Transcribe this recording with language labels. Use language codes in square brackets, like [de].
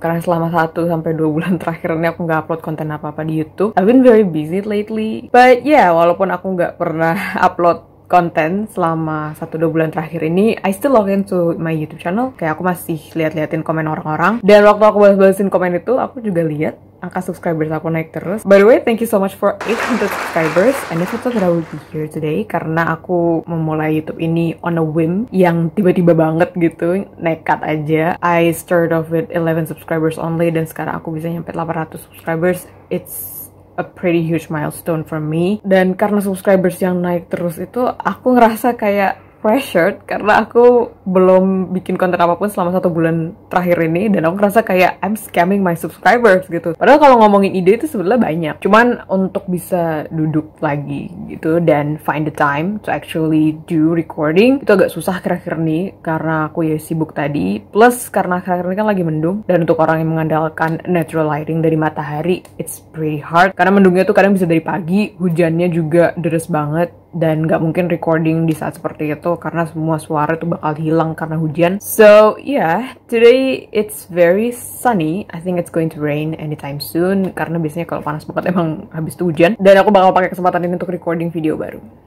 [id] Karena selama 1-2 bulan terakhir ini aku gak upload konten apa-apa di YouTube. [en] I've been very busy lately. But yeah, [id] walaupun aku gak pernah upload konten selama 1-2 bulan terakhir ini, [en] I still log into my YouTube channel. [id] Kayak aku masih liat-liatin komen orang-orang. Dan waktu aku balas-balasin komen itu, aku juga lihat angka subscribers aku naik terus. [en] By the way, thank you so much for 800 subscribers. And it's also that I will be here today. [id] Karena aku memulai YouTube ini [en] on a whim, [id] yang tiba-tiba banget gitu, nekat aja. [en] I started off with 11 subscribers only, [id] dan sekarang aku bisa nyampe 800 subscribers. [en] It's a pretty huge milestone for me. [id] Dan karena subscribers yang naik terus itu, aku ngerasa kayak pressured karena aku belum bikin konten apapun selama 1 bulan terakhir ini, dan aku ngerasa kayak [en] I'm scamming my subscribers [id] gitu. Padahal kalau ngomongin ide itu sebenarnya banyak. Cuman untuk bisa duduk lagi gitu dan [en] find the time to actually do recording [id] itu agak susah akhir-akhir ini karena aku ya sibuk tadi. Plus karena akhir-akhir ini kan lagi mendung, dan untuk orang yang mengandalkan natural lighting dari matahari, [en] it's pretty hard. [id] Karena mendungnya tuh kadang bisa dari pagi, hujannya juga deras banget. Dan gak mungkin recording di saat seperti itu karena semua suara itu bakal hilang karena hujan. [en] So yeah, today it's very sunny. I think it's going to rain anytime soon. [id] Karena biasanya kalau panas banget emang habis itu hujan. Dan aku bakal pakai kesempatan ini untuk recording video baru.